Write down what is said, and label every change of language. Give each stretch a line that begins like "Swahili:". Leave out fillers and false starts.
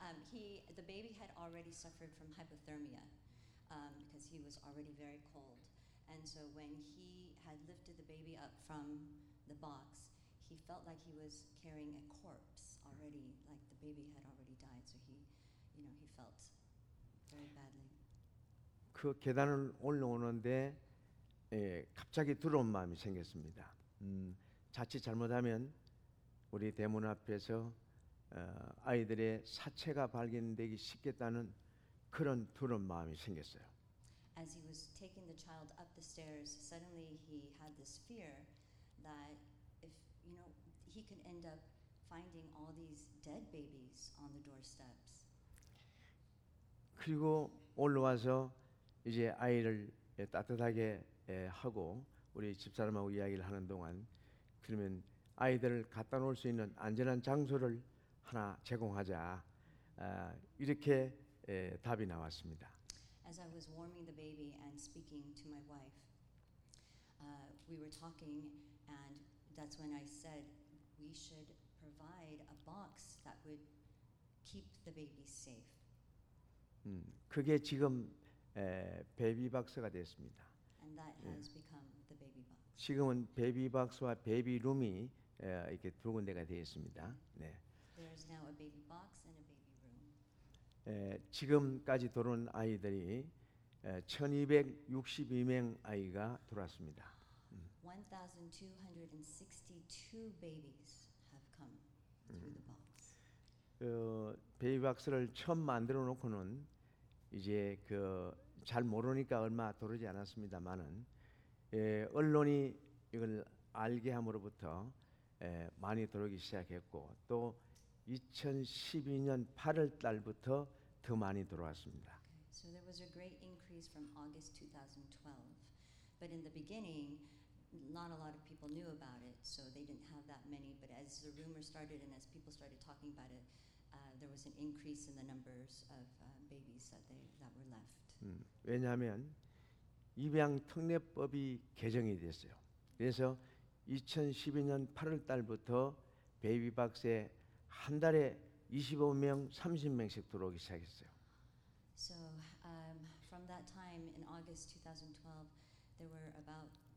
English: He, the baby had already suffered from hypothermia because he was already very cold. And so when he had lifted the baby up from the box, he felt like he was carrying a corpse already, like the baby had already died. So he, you know, he felt very badly.
Korean: 그 계단을 올라오는데 갑자기 두려운 마음이 생겼습니다. 자칫 잘못하면 우리 대문 앞에서 아이들의 사체가 발견되기 쉽겠다는 그런 두려운 마음이 생겼어요.
English: As he was taking the child up the stairs, suddenly he had this fear that if you know he could end up finding all these dead babies on the doorsteps.
Korean: 그리고 올라와서 이제 아이를 따뜻하게 하고 우리 집사람하고 이야기를 하는 동안 그러면 아이들을 갖다 놓을 수 있는 안전한 장소를 하나 제공하자 이렇게 답이 나왔습니다.
English: As I was warming the baby and speaking to my wife, we were talking, and that's when I said we should provide a box that would keep the baby safe.
Korean: 그게 지금 베이비 박스가 됐습니다.
English: And that has become the baby box.
Korean: 지금은 베이비 박스와 베이비 룸이 이렇게 두 군데가 되었습니다. 네.
English: There is now a baby box and a baby room.
Korean: 지금까지 들어온 아이들이 1,262명 아이가 들어왔습니다.
English: 1,262 babies have come through the box.
Korean: 베이비 박스를 처음 만들어 놓고는 이제 그 잘 모르니까 얼마 들어오지 않았습니다만은 언론이 이걸 알게 함으로부터 많이 들어오기 시작했고 또 2012년 8월 달부터 더 많이 들어왔습니다.
English: So there was a great increase from August 2012. But in the beginning, not a lot of people knew about it, so they didn't have that many. But as the rumor started and as people started talking about it, there was an increase in the numbers of babies that were left.
Korean: 왜냐하면 입양 특례법이 개정이 됐어요. 그래서 2012년 8월 달부터 베이비 박스에 한 달에 25명, 30명씩 들어오기 시작했어요.
English: So from that time in August 2012 there were about